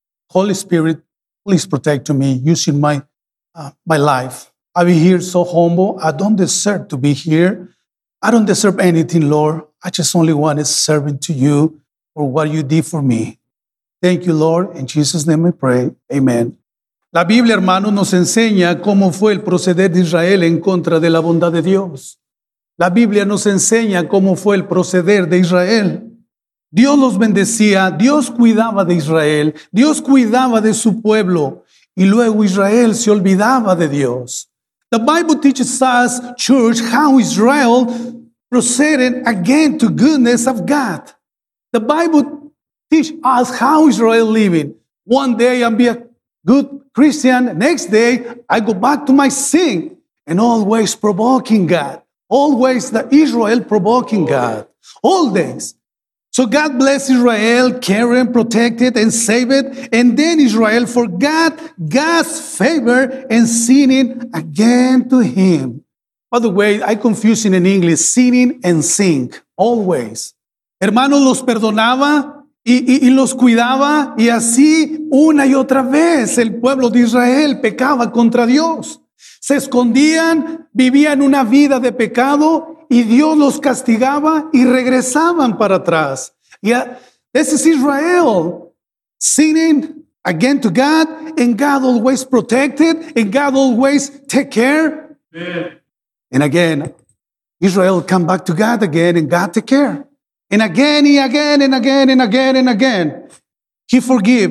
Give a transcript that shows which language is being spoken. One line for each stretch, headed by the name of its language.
English: Holy Spirit, please protect me using my life. I be here so humble. I don't deserve to be here. I don't deserve anything, Lord. I just only want a servant to you for what you did for me. Thank you, Lord. In Jesus' name I pray. Amen.
Spanish: La Biblia, hermano, nos enseña cómo fue el proceder de Israel en contra de la bondad de Dios. La Biblia nos enseña cómo fue el proceder de Israel. Dios los bendecía, Dios cuidaba de Israel, Dios cuidaba de su pueblo, y luego Israel se olvidaba de Dios.
English: The Bible teaches us, church, how Israel proceeded again to goodness of God. The Bible teaches us how Israel living. One day I'm be a good Christian, next day I go back to my sin, and always provoking God. Always the Israel provoking God. All days. So God bless Israel, care and protect it and save it. And then Israel forgot God's favor and sinning again to him. By the way, I confuse it in English, sinning and sink, always.
Spanish: Hermano los perdonaba y los cuidaba. Y así una y otra vez el pueblo de Israel pecaba contra Dios. Se escondían, vivían una vida de pecado y Dios los castigaba y regresaban para atrás.
English: Yeah, this is Israel sinning again to God, and God always protected, and God always take care. Yeah. And again, Israel come back to God again, and God take care. And again, and again, and again, and again, and again, he forgive.